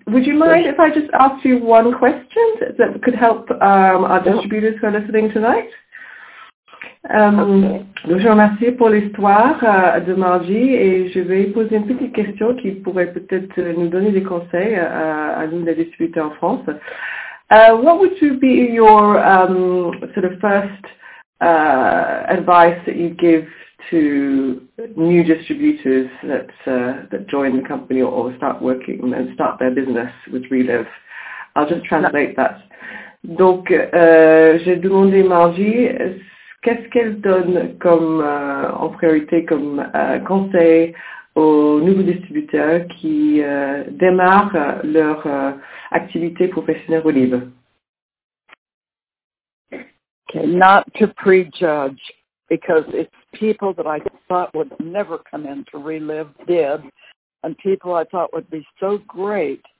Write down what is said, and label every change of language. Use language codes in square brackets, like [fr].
[en] Would you mind if I just ask you one question that could help our distributors who are listening tonight? Okay. [fr] Je vous remercie pour l'histoire de Margie et je vais poser une petite question qui pourrait peut-être nous donner des conseils à nous, les distributeurs en France. [en] What would you be your sort of first advice that you give to new distributors that join the company or start working and start their business with Relive? I'll just translate that. [fr] Donc, j'ai demandé à Margie, qu'est-ce qu'elle donne en priorité comme conseil aux nouveaux distributeurs qui démarrent leur activité professionnelle Relive? [en] Okay, not to prejudge, because it's people that I thought would never come in to Relive did, and people I thought would be so great